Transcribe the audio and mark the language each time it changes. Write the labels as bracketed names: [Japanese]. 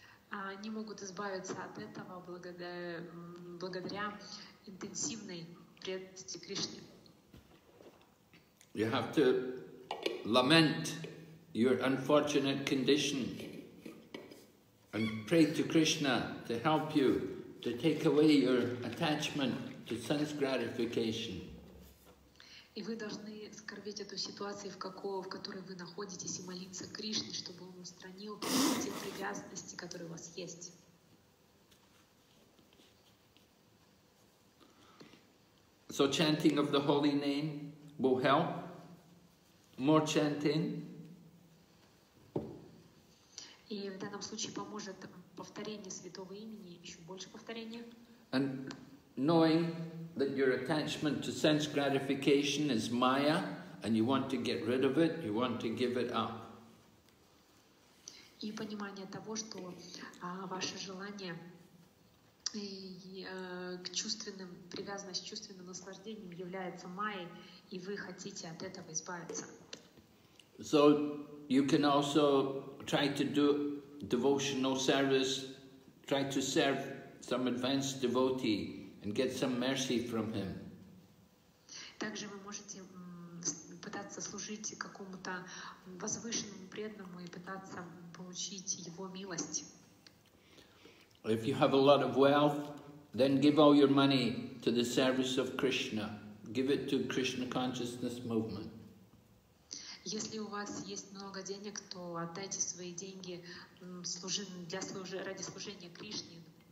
[Russian] Они могут избавиться от этого благодаря интенсивной преданности Кришне. [English] You have to lament your unfortunate condition and pray to Krishna to help you to take away your attachment to sense gratification. [Russian] И вы должны скорбеть эту ситуацию, в которой вы находитесь, и молиться Кришне, чтобы он устранил те привязанности, которые у вас есть. [English] So chanting of the holy name will help. More chanting. [Russian] И в данном случае поможет повторение святого имени, еще больше повторения. [English] And knowing that your attachment to sense gratification is maya, and you want to get rid of it, you want to give it up. [Russian] И понимание того, что ваше желание к чувственным привязанность к чувственным наслаждениям является майей, и вы хотите от этого избавиться. [English] So you can also try to do devotional service, try to serve some advanced devotee and get some mercy from him. [Russian] Также вы можете пытаться служить какому-то возвышенному преданному и пытаться получить его милость. [English] If you have a lot of wealth, then give all your money to the service of Krishna. Give it to Krishna consciousness movement. [Russian] Если у вас есть много денег, то отдайте свои деньги ради служения Кришне.